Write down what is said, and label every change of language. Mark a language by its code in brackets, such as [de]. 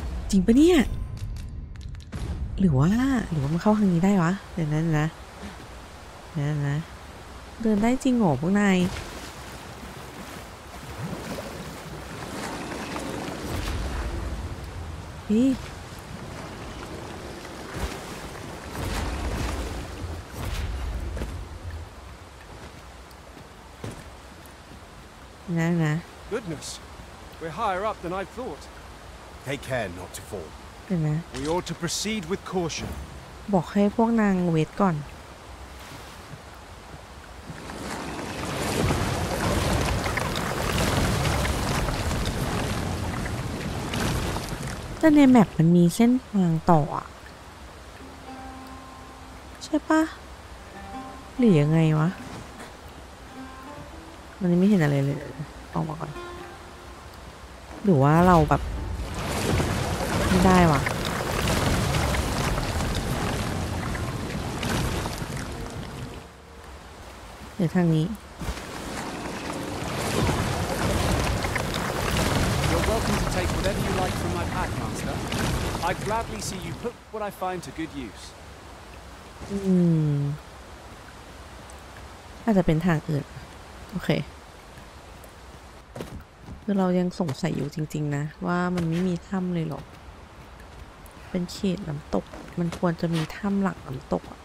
[th] จริงปะเนี่ยหรือว่ามันเข้าทางนี้ได้วะเดี๋ยวนั้นนะเดี๋ยวนั้นนะเดินได้จริงหรอพวกนายอีนะนะ [en] Goodness, we're higher up than I thought. Take care not to fall. [th] นะ [en] We ought to proceed with caution. [th] บอกให้พวกนางเวทก่อนแต่ในแมปมันมีเส้นทางต่ออ่ะ ใช่ปะหรือยังไงวะมันไม่เห็นอะไรเลยออกมาก่อนหรือว่าเราแบบไม่ได้วะเดี๋ยวทางนี้ [en] You're welcome to take whatever you like from my pack, Master. I gladly see you put what I find to good use. [th] น่าจะเป็นทางอื่นโอเคคือเรายังสงสัยอยู่จริงๆนะว่ามันไม่มีถ้ำเลยหรอกเป็นเขตน้ำตกมันควรจะมีถ้ำหลักน้ำตก